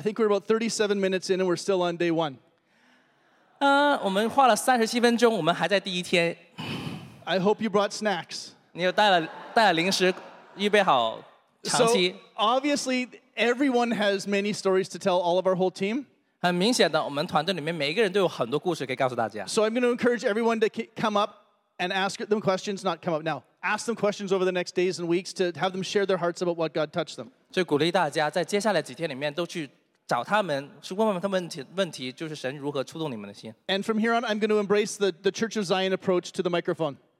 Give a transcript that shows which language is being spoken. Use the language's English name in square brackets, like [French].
[English] think we're about 37 minutes in, and we're still on day one. [Chinese] 我们花了37分钟，我们还在第一天。 [English] I hope you brought snacks. [Chinese] 你有带了零食，预备好长期。 [English] So obviously, everyone has many stories to tell all of our whole team. [Chinese] 很明显的，我们团队里面每一个人都有很多故事可以告诉大家。 [English] So I'm going to encourage everyone to come up and ask them questions, not come up now. Ask them questions over the next days and weeks to have them share their hearts about what God touched them. [Chinese] 所以鼓励大家在接下来几天里面都去找他们，去问问他们问题，就是神如何触动你们的心。 [English] And from here on, I'm going to embrace the Church of Zion approach to the microphone.